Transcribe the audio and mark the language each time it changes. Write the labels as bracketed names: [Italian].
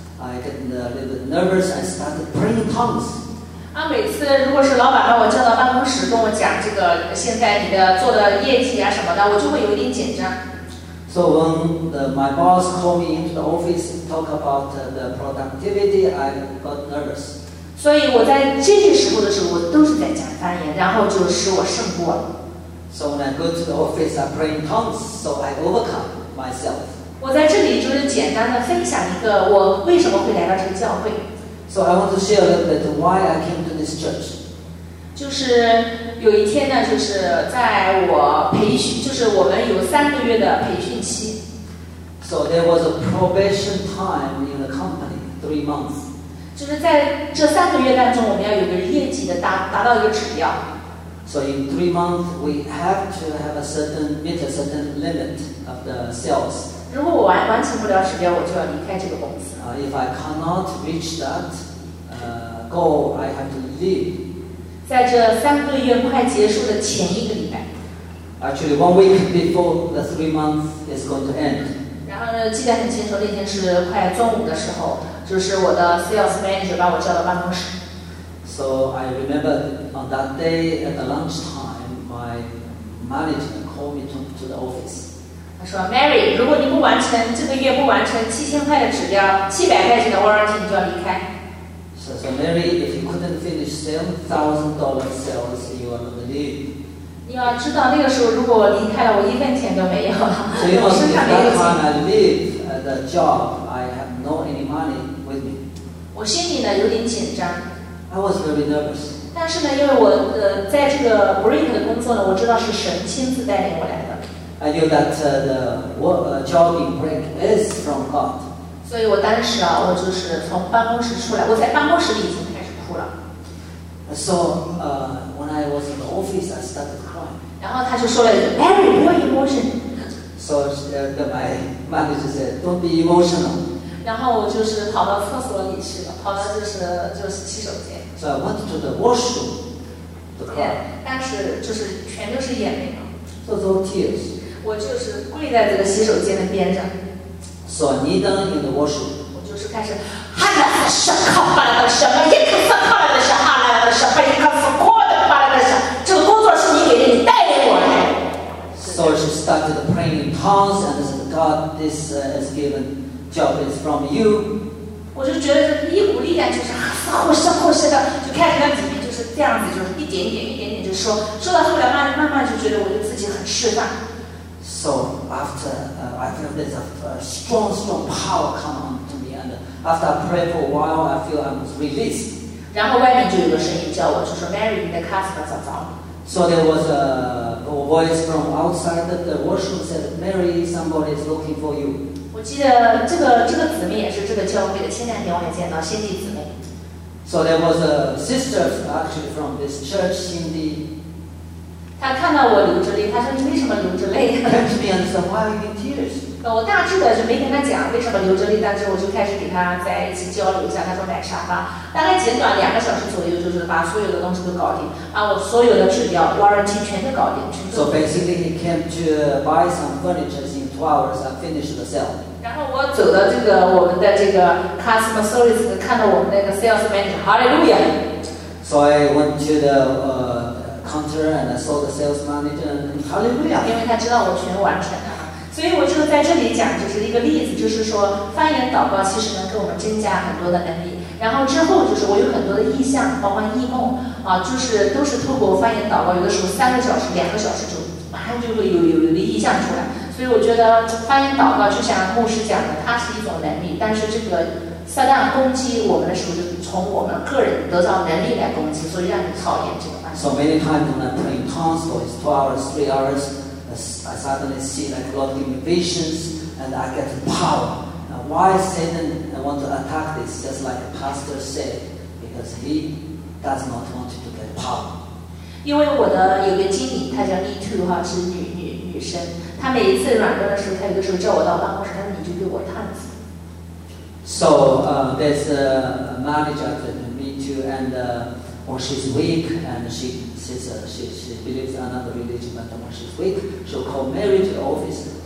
[English] I get a little bit nervous. I started praying tongues. [Chinese] 每次如果是老板把我叫到办公室跟我讲这个现在你的做的业绩啊什么的，我就会有一点紧张。 [English] So when my boss called me into the office talk about the productivity, I got nervous. [Chinese] 所以我在这些时候的时候，我都是在讲方言，然后就使我胜过了。 [English] So when I go to the office, I pray in tongues, so I overcome myself. [Chinese] 我在这里就是简单的分享一个我为什么会来到这个教会。 [English] So I want to share a little bit why I came to this church. [Chinese] 就是有一天呢，就是在我培训，就是我们有三个月的培训期。 [English] So there was a probation time in the company, 3 months. [Chinese] 就是在这三个月当中，我们要有个业绩的达到一个指标。 [English] So in 3 months, we have to have a certain meet a certain limit of the sales. [Chinese] 如果我完成不了指标，我就要离开这个公司。 [English] If I cannot reach that goal, I have to leave. [Chinese] 在这三个月快结束的前一个礼拜。 [English] Actually, 1 week before the 3 months is going to end. [Chinese] 然后呢，记得很清楚，那天是快中午的时候，就是我的 sales manager 把我叫到办公室。 [English] So I remember on that day at the lunchtime, my manager called me to the office. [Chinese] 他说 ，Mary， 如果你不完成这个月不完成7000块的指标，700块的 warranty， 你就要离开。 [English] So Mary, if you couldn't finish $7,000 sales, you are going to leave. [Chinese] 你要知道那个时候如果我离开了，我一分钱都没有了。 [English] So if that time I leave the job, I have no any money with me. [Chinese] 我心里呢有点紧张。 [English] I was very nervous. [Chinese] 但是呢，因为我在这个 break 的工作呢，我知道是神亲自带领我来的。 [English] I knew that the job break is from God. [Chinese] 所以我当时啊，我就是从办公室出来，我在办公室里已经开始哭了。 [English] So when I was in the office, I started crying. [Chinese] 然后他就说了一句 ，Mary, [English] no emotion. So my manager said, "Don't be emotional." [Chinese] 然后我就是跑到厕所里去了，跑到就是洗手间。 [English] So I went to the washroom to cry. [Chinese] 但是就是全都是眼泪嘛。 [English] So those tears. [Chinese] 我就是跪在这个洗手间的边上。 [English] So I kneel down in the washroom. [Chinese] 我就是开始哈拉的是靠巴拉的是马耶克斯靠的是哈拉的是贝克斯靠的巴拉的是这个工作是你给你带领我来。 [English] So she started praying in tongues and said, "God, this is given job is from you." [Chinese] 我就觉得一股力量就是啊，我是靠神的，就开始那几遍就是这样子，就是一点点一点点就说，说到后来慢慢就觉得我就自己很释放。 [English] So after I feel there's a strong power come on to me, and after I pray for a while, I feel I was released. [Chinese] 然后外面就有个声音叫我，就说 Mary, 你的 Casper 找着了。 [English] So there was a voice from outside that the worship said, Mary, somebody is looking for you. [Chinese] 我记得这个姊妹也是这个教会的，现在我还见到先进姊妹。 [English] So there was a sister actually from this church, Cindy. [Chinese] 他看到我流着泪，他说：“你为什么流着泪？” [English] Can you understand why are you in tears? [Chinese] 我大致的就没跟他讲为什么流着泪，但是我就开始给他在一起交流一下。他说买沙发，大概简短两个小时左右，就是把所有的东西都搞定，把我所有的纸条、warranty 全都搞定。 [English] So basically, he came to buy some furniture in 2 hours and finished the sale. [Chinese] 然后我走到这个我们的这个 customer service， 看到我们那个 sales manager， Hallelujah. [English] So I went to the counter and I saw the sales manager and Hallelujah. [Chinese] 因为他知道我全完成了，所以我就在这里讲，就是一个例子，就是说方言祷告其实能给我们增加很多的能力。然后之后就是我有很多的意象，包括异梦啊，就是都是透过方言祷告，有的时候三个小时、两个小时就马上就会有的意象出来。所以我觉得方言祷告就像牧师讲的，它是一种能力，但是这个撒旦攻击我们的时候，就从我们个人得到能力来攻击，所以让你讨厌这个。 [English] So many times when I'm praying tongues for 2 hours, 3 hours, I suddenly see like God giving me visions and I get power. Now why Satan want to attack this? Just like the pastor said, because he does not want to get power. [Chinese] 因为我的有个经理，她叫 Me Too 哈，是女生。她每一次软弱的时候，她有的时候叫我到办公室，她说你就给我探子。 [English] So there's a manager that Me Too and. When she's weak and she says she believes another religion, but when she's weak, she'll call Mary to the office.